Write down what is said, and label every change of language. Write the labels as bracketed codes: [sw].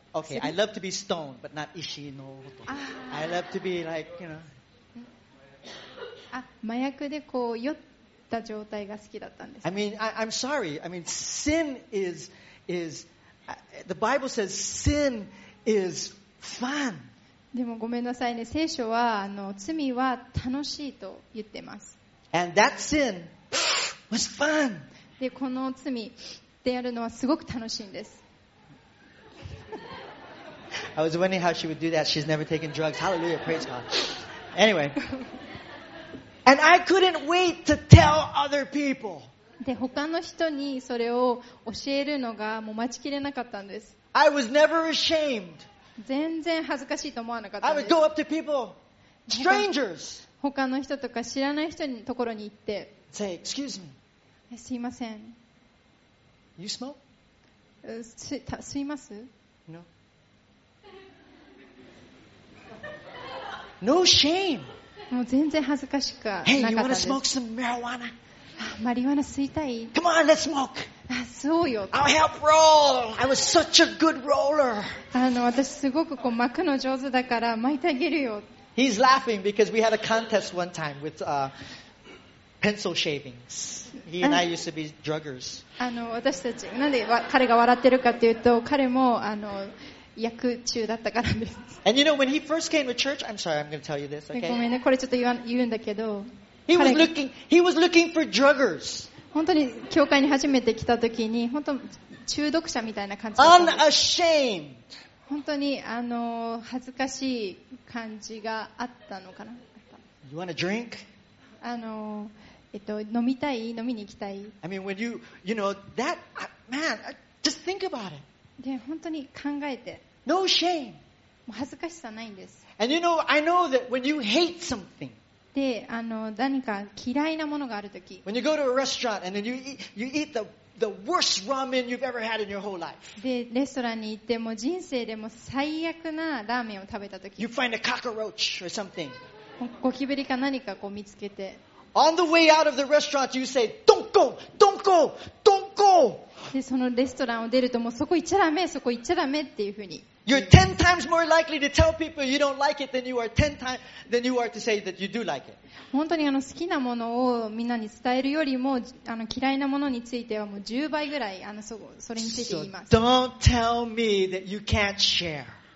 [en] Okay, I love to be stoned, but not [ja] ishi no. [en] I love to be like, you know. [ja] 麻薬でこう酔った状態が好きだったんです。 [en] I mean, I'm sorry. I mean, sin is the Bible says sin is fun. [ja] でもごめんなさいね。聖書はあの罪は楽しいと言ってます。 [en] And that sin was fun. [ja] でこの罪でやるのはすごく楽しいんです。 [en] I was wondering how she would do that. She's never taken drugs. Hallelujah. Praise God. Anyway. And I couldn't wait to tell other people. [ja] で、他の人にそれを教えるのがもう待ちきれなかったんです。 [en] I was never ashamed. [ja] 全然恥ずかしいと思わなかったんです。 [en] I would go up to people, strangers. [ja] 他の人とか知らない人のところに行って、 [en] Say, excuse me. [ja] すいません。 [en] You smoke? [ja] 吸います [en] ？No. No shame. [ja] もう全然恥ずかしくなかったんです。 [en] Hey, you wanna smoke some marijuana? [ja] マリワナ吸いたい。 [en] Come on, let's smoke. [ja] あ、そうよ。 [en] I'll help roll. I was such a good roller. [ja] あの、私すごくこう巻くの上手だから巻いてあげるよ。 [en] He's laughing because we had a contest one time with, pencil shavings. He and I used to be druggers. [ja] あの、私たち、なんで彼が笑ってるかっていうと、彼も、あの、薬中だったからです。 [en] And you know, when he first came to church, I'm sorry, I'm going to tell you this, okay? [ja] ごめんね、これちょっと言うんだけど、 [en] He was looking for druggers. [ja] 本当に教会に初めて来た時に本当中毒者みたいな感じ。 [en] Unashamed. [ja] 本当にあの恥ずかしい感じがあったのかな。 [en] You want a drink? [ja] あの飲みたい飲みに行きたい。 [en] I mean when you know that man just think about it. [ja] で本当に考えて。 [en] No shame. [ja] もう恥ずかしさないんです。 [en] And you know I know that when you hate something. [ja] で、あの、何か嫌いなものがあるとき。 [en] When you go to a restaurant and then you eat the worst ramen you've ever had in your whole life. [ja] で、レストランに行っても人生でも最悪なラーメンを食べたとき。 [en] You find a cockroach or something. [ja] ゴキブリか何かこう見つけて。 [en] On the way out of the restaurant, you say, don't go! Don't go! Don't go! [ja] で、そのレストランを出るともうそこ行っちゃダメ、そこ行っちゃダメっていうふうに。 [en] You're 10 times more likely to tell people you don't like it than you are 10 times than you are to say that you do like it. [ja] 本当にあの好きなものをみんなに伝えるよりもあの嫌いなものについてはもう10倍ぐらいあの それについて言います。 [en] So、don't tell me that you can't share.